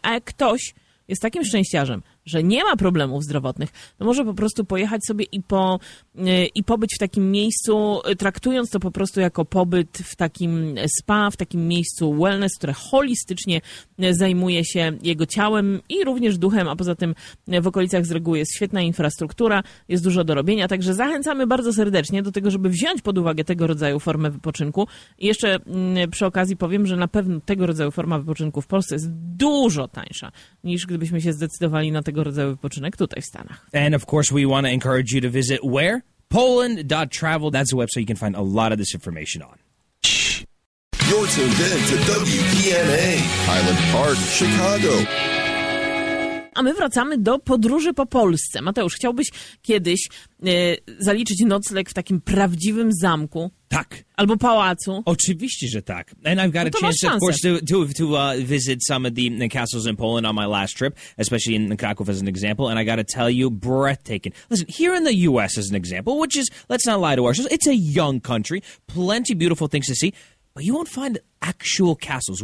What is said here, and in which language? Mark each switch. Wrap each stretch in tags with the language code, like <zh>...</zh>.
<pl>A jak ktoś jest takim szczęściarzem, że nie ma problemów zdrowotnych, to może po prostu pojechać sobie i pobyć w takim miejscu, traktując to po prostu jako pobyt w takim spa, w takim miejscu wellness, które holistycznie zajmuje się jego ciałem i również duchem, a poza tym w okolicach z reguły jest świetna infrastruktura, jest dużo do robienia, także zachęcamy bardzo serdecznie do tego, żeby wziąć pod uwagę tego rodzaju formę wypoczynku. I jeszcze przy okazji powiem, że na pewno tego rodzaju forma wypoczynku w Polsce jest dużo tańsza niż gdybyśmy się zdecydowali na tego rodzaju wypoczynek tutaj w Stanach.</pl> <en>And of course we want to encourage you to visit where? Poland.travel. That's a website you can find a lot of this information on. You're tuned in to WPNA. Highland Park, Chicago.</en> <pl>A my wracamy do podróży po Polsce. Mateusz, chciałbyś kiedyś zaliczyć nocleg w takim prawdziwym zamku? Tak. Albo pałacu? Oczywiście, że tak.</pl> <en>And I've got a chance, of course, to visit some of the castles in Poland on my last trip, especially in Kraków as an example, and I got to tell you, breathtaking. Listen, here in the U.S. as an example, which is, let's not lie to ourselves, it's a young country, plenty beautiful things to see, but you won't find actual castles.</en>